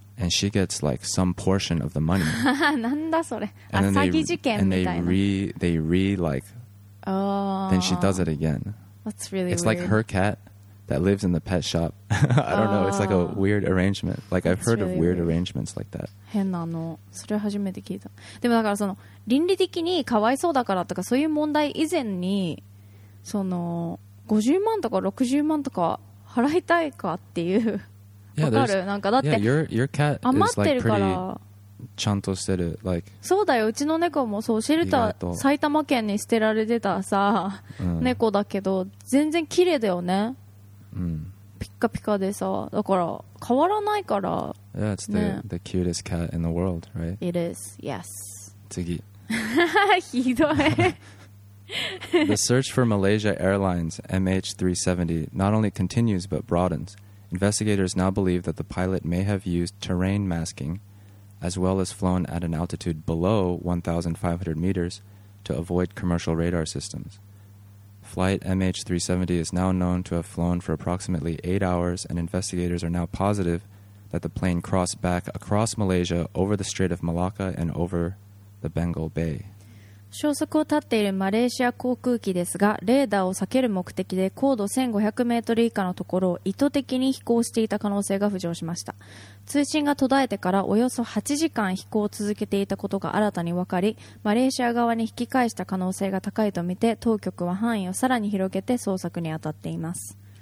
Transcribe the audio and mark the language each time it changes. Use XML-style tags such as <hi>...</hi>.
<en>And she gets like some portion of the money.</en> <ja>なんだそれ。あ、詐欺事件みたいな。</ja> <en>And they like. Oh. Then she does it again. That's really weird. It's like her cat that lives in the pet shop. I don't know. It's like a weird arrangement. Like I've heard of weird arrangements like that.</en> <ja>変なの。それ初めて聞いた。でもだからその倫理的にかわいそうだからとかそういう問題以前にその50万とか60万とか払いたいかっていう。わかる？なんかだって余ってるから。ちゃんとしてる、like、そうだよ。うちの猫もそうシェルター埼玉県に捨てられてたさ、うん、猫だけど全然綺麗だよね、うん、ピッカピカでさだから変わらないから</ja> <en>Yeah, it's、ね、the cutest cat in the world, right? It is, yes</en> <ja>次ひどい</ja> <en>The search for Malaysia Airlines MH370 not only continues but broadens. Investigators now believe that the pilot may have used terrain maskingas well as flown at an altitude below 1,500 meters to avoid commercial radar systems. Flight MH370 is now known to have flown for approximately 8 hours, and investigators are now positive that the plane crossed back across Malaysia over the Strait of Malacca and over the Bengal Bay.</en> <ja>消息を絶っているマレーシア航空機ですが、レーダーを避ける目的で高度1500メートル以下のところを意図的に飛行していた可能性が浮上しました。通信が途絶えてからおよそ8時間飛行を続けていたことが新たに分かり、マレーシア側に引き返した可能性が高いとみて、当局は範囲をさらに広げて捜索に当たっています。</ja>